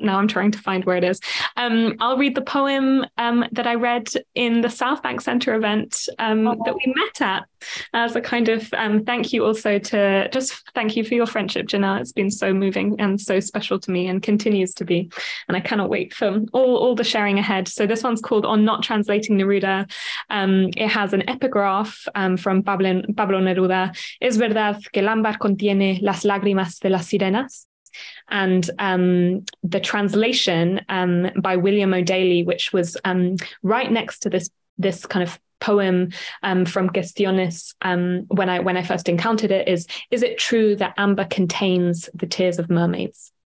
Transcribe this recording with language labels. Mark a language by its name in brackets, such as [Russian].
[English] Now I'm trying to find where it is. I'll read the poem that I read in the South Bank Center event that we met at, as a kind of thank you also to, just thank you for your friendship, Janel. It's been so moving and so special to me and continues to be. And I cannot wait for all the sharing ahead. So this one's called On Not Translating Neruda. It has an epigraph from Pablo Neruda. [Spanish] ¿Es verdad que el ámbar contiene las lágrimas de las sirenas? [English] And the translation by William O'Daly, which was right next to this kind of poem from Gestiones when I first encountered it, is it true that amber contains the tears of mermaids?